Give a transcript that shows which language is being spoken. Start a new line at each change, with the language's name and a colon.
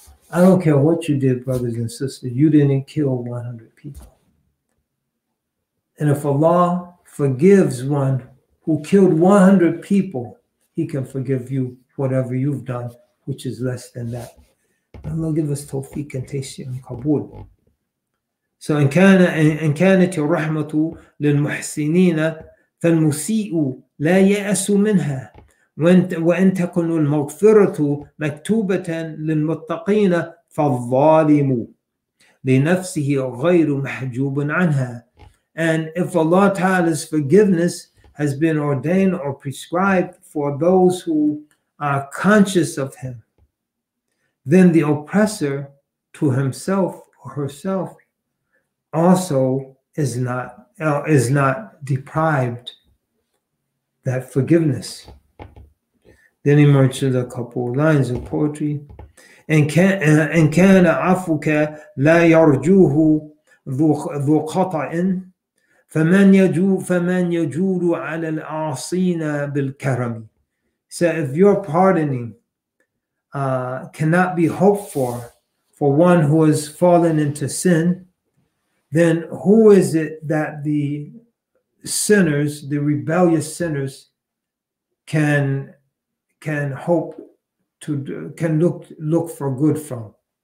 English: I don't care what you did, brothers and sisters. You didn't kill 100 people. And if Allah forgives one who killed 100 people, He can forgive you whatever you've done, which is less than that. Allah give us tawfiq and taysir and kabul.
Arabic: So, إن كانت الرحمة للمحسنين فالمسيء لا يأس منها وإن تكن المغفرة مكتوبة للمتقين فَالظَّالِمُ لِنَفْسِهِ غَيْرُ مَحْجُوبٌ عَنْهَا.
English: And if Allah Ta'ala's forgiveness has been ordained or prescribed for those who are conscious of Him, then the oppressor to himself or herself also is not deprived that forgiveness. Then he mentions a couple of lines of poetry.
Arabic: And كان عفوك لا يرجوه ذو قطع فمن يجول على العاصين بالكرم.
English: So if your pardoning cannot be hoped for one who has fallen into sin, then who is it that the sinners, the rebellious sinners, can hope to do, can look for good from?